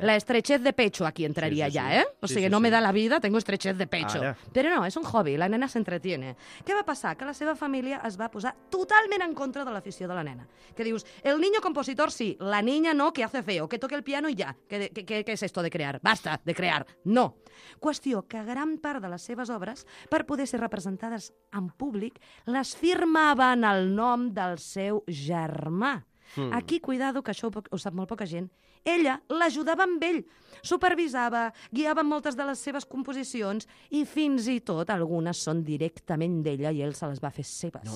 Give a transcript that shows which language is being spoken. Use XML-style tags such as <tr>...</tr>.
<es>La estrechez de pecho aquí entraria sí.</es> <ca>O sigui, sí.</ca> <es>No me da la vida, tengo estrechez de pecho.</es> <ca>Ara. Però no, és un hobby, la nena s'entretiene. Què va passar? Que la seva família es va posar totalment en contra de l'afició de la nena. Que dius,</ca> <es>el niño compositor sí, la niña no, que hace feo, que toque el piano y ya. ¿Qué es esto de crear? Basta de crear. No.</es> <ca>Qüestió que gran part de les seves obres, per poder ser representades en públic, les firmaven el nom del seu germà. Aquí,</ca> <es>cuidado,</es> <ca>que això ho sap molt poca gent. Ella l'ajudava amb ell, supervisava, guiava moltes de les seves composicions i fins i tot algunes són directament d'ella i ell se les va fer seves.</ca>